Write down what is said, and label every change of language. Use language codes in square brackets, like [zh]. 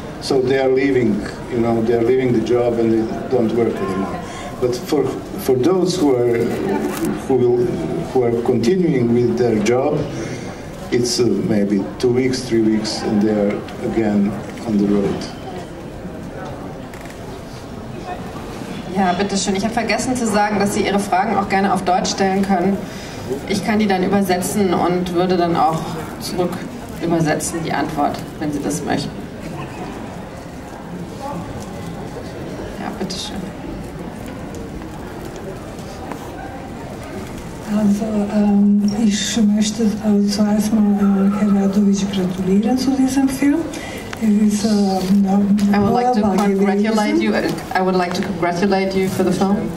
[en] So they are leaving, you know, they are leaving the job and they don't work anymore. But for those who are continuing with their job, it's maybe 2 weeks, 3 weeks, and they are again on the road. [de] Ja, bitte schön. Ich habe vergessen zu sagen, dass Sie Ihre Fragen auch gerne auf Deutsch stellen können. Ich kann die dann übersetzen und würde dann auch zurück übersetzen, die Antwort, wenn Sie das möchten. Ja, bitteschön. Also, ich möchte zuerst mal Herr Radovic gratulieren zu diesem Film. [en] It is, I would like to congratulate you for the film.